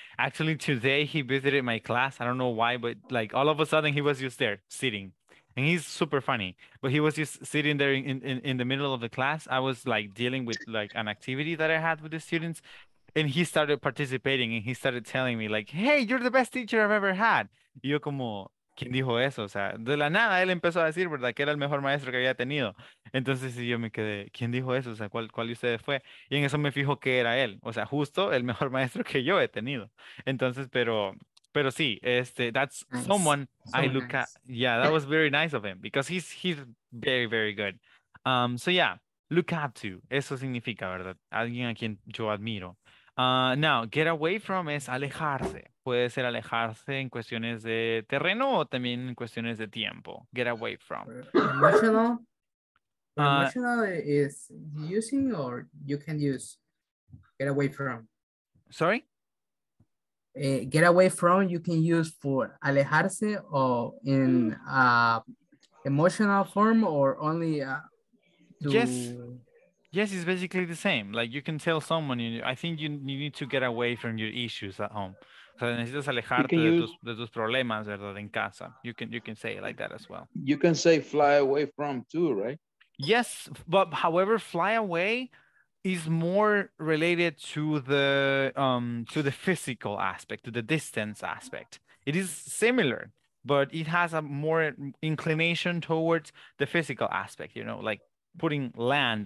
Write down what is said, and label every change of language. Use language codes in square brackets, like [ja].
[en] Actually, today he visited my class. I don't know why, but like all of a sudden he was just there sitting. And he's super funny, but he was just sitting there in the middle of the class. I was like dealing with like an activity that I had with the students, and he started participating and he started telling me like, hey, you're the best teacher I've ever had. [es] Y yo como, ¿quién dijo eso? O sea, de la nada él empezó a decir, ¿verdad? Que era el mejor maestro que había tenido. Entonces yo me quedé, ¿quién dijo eso? O sea, ¿cuál de ustedes fue? Y en eso me fijo que era él. O sea, justo el mejor maestro que yo he tenido. Entonces, pero sí, [en] that's nice. Yeah, that was very nice of him because he's very, very good. So yeah, look up to. [es] Eso significa, ¿verdad? Alguien a quien yo admiro. [en] Now, get away from [es] es alejarse. Puede ser alejarse en cuestiones de terreno o también en cuestiones de tiempo. [en] Get away from. Emotional is using or you can use get away from. Sorry? Get away from you can use for alejarse or in emotional form or only Yes. Yes, it's basically the same. Like you can tell someone, I think you need to get away from your issues at home. [es] O sea, necesitas alejarte de tus problemas, ¿verdad? En casa. [en] You can say it like that as well. You can say fly away from too, right? Yes, but however, fly away is more related to the physical aspect, to the distance aspect. It is similar, but it has a more inclination towards the physical aspect, you know, like putting land